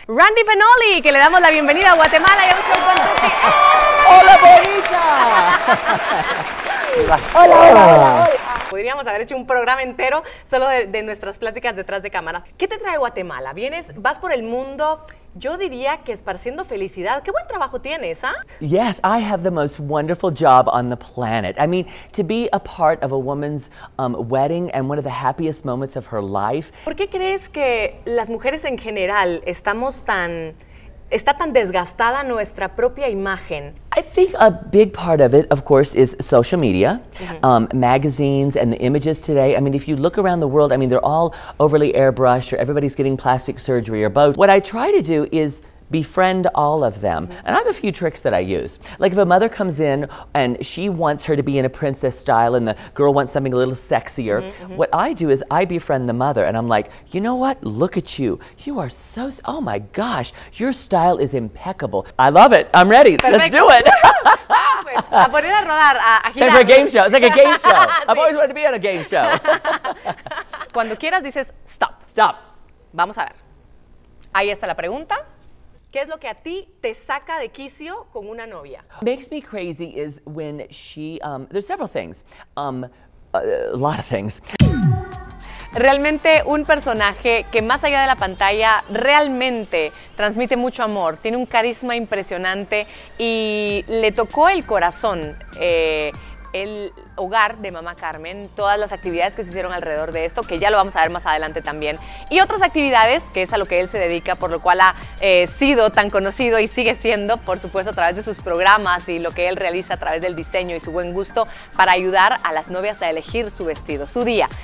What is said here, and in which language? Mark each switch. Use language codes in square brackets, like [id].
[es] Randy Fenoli, que le damos la bienvenida a Guatemala y a Un Show con Tuti. ¡Hola, bonita! Hola. Podríamos haber hecho un programa entero solo de nuestras pláticas detrás de cámaras. ¿Qué te trae Guatemala? Vienes, vas por el mundo, yo diría que esparciendo felicidad. ¿Qué buen trabajo tienes, ah? [en] Yes, I have the most wonderful job on the planet. I mean, to be a part of a woman's wedding and one of the happiest moments of her life. [es] ¿Por qué crees que las mujeres en general estamos tan... está tan desgastada nuestra propia imagen? [en] I think a big part of it, of course, is social media, magazines and the images today. I mean, if you look around the world, I mean, they're all overly airbrushed or everybody's getting plastic surgery or both. What I try to do is befriend all of them. And I have a few tricks that I use. Like if a mother comes in and she wants her to be in a princess style and the girl wants something a little sexier, what I do is I befriend the mother and I'm like, you know what? Look at you. You are so, oh my gosh, your style is impeccable. I love it. I'm ready. [es] Perfecto. [en] Let's do it. [es] A poner a rodar, a girar. [en] It's like a game show. It's like a game show. [es] Sí. [en] I've always wanted to be on a game show. [es] Cuando quieras dices, stop. [en] Stop. [es] Vamos a ver. Ahí está la pregunta. ¿Qué es lo que a ti te saca de quicio con una novia? [en] What makes me crazy is when she, there's several things, a lot of things. [es] Realmente un personaje que más allá de la pantalla realmente transmite mucho amor, tiene un carisma impresionante y le tocó el corazón el hogar de mamá Carmen, todas las actividades que se hicieron alrededor de esto, que ya lo vamos a ver más adelante también, y otras actividades, que es a lo que él se dedica, por lo cual ha sido tan conocido y sigue siendo, por supuesto, a través de sus programas y lo que él realiza a través del diseño y su buen gusto para ayudar a las novias a elegir su vestido, su día.